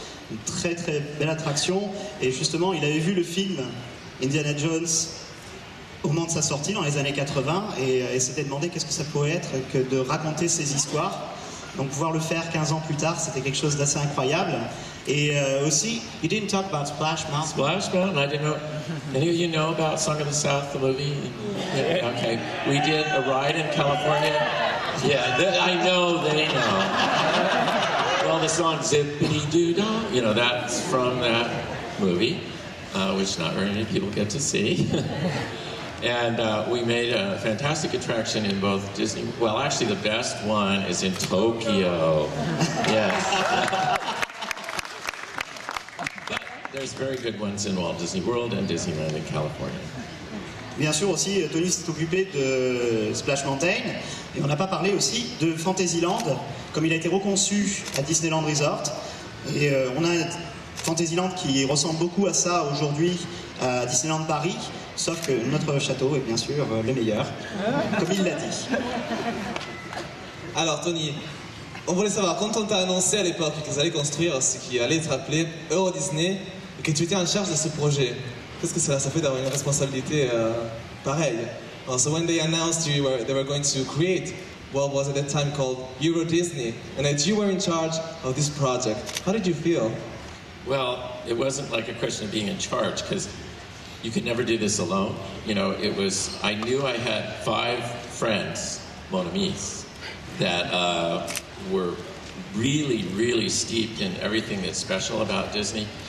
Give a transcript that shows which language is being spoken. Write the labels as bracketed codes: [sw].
[fr] Une très très belle attraction. Et justement, il avait vu le film Indiana Jones au moment de sa sortie dans les années 80 et s'était demandé qu'est-ce que ça pouvait être que de raconter ces histoires. Donc pouvoir le faire 15 ans plus tard, c'était quelque chose d'assez incroyable. Et aussi, [en] you didn't talk about Splash Mountain. Splash Mountain, I didn't know. Any of you know about Song of the South, the movie? Yeah. Okay. We did a ride in California. Yeah, I know, they know. Well, the song Zip-a-dee-doo-dah, you know, that's from that movie, which not very many people get to see. And we made a fantastic attraction in both Disney, well, actually the best one is in Tokyo. Yes. But There's very good ones in Walt Disney World and Disneyland in California. [fr] Bien sûr aussi, Tony s'est occupé de Splash Mountain, et on n'a pas parlé aussi de Fantasyland, comme il a été reconçu à Disneyland Resort. Et on a Fantasyland qui ressemble beaucoup à ça aujourd'hui à Disneyland Paris, sauf que notre château est bien sûr le meilleur, comme il l'a dit. Alors Tony, on voulait savoir, quand on t'a annoncé à l'époque qu'ils allaient construire ce qui allait être appelé Euro Disney, et que tu étais en charge de ce projet, qu'est-ce que ça fait d'avoir une responsabilité pareille? [en] Well, so when they announced you were, they were going to create what was at that time called Euro Disney, and that you were in charge of this project, how did you feel? Well, it wasn't like a question of being in charge, because you could never do this alone. You know, it was, I knew I had five friends, [fr] mon amis, [en] that were really, really steeped in everything that's special about Disney.